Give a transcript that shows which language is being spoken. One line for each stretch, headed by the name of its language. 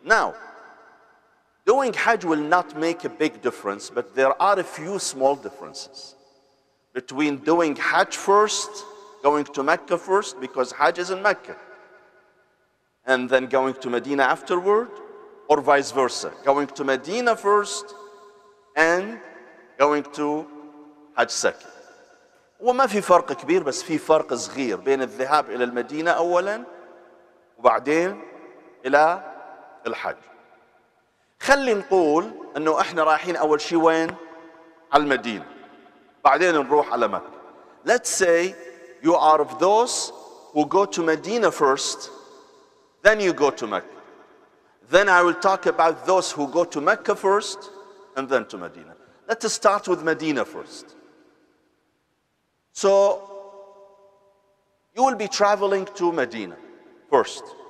English: Now, doing Hajj will not make a big difference, but there are a few small differences between doing Hajj first, going to Mecca first, because Hajj is in Mecca, and then going to Medina afterward, or vice versa, going to Medina first and going to Hajj second.
Arabic: وما في فرق كبير بس في فرق صغير بين الذهاب إلى المدينة أولا وبعدين إلى الحج. خلي نقول انه احنا رايحين اول شيء وين؟ على المدينة، بعدين نروح على مكة.
English: Let's say you are of those who go to Medina first, then you go to Mecca. Then I will talk about those who go to Mecca first and then to Medina. Let us start with Medina first. So you will be traveling to Medina first.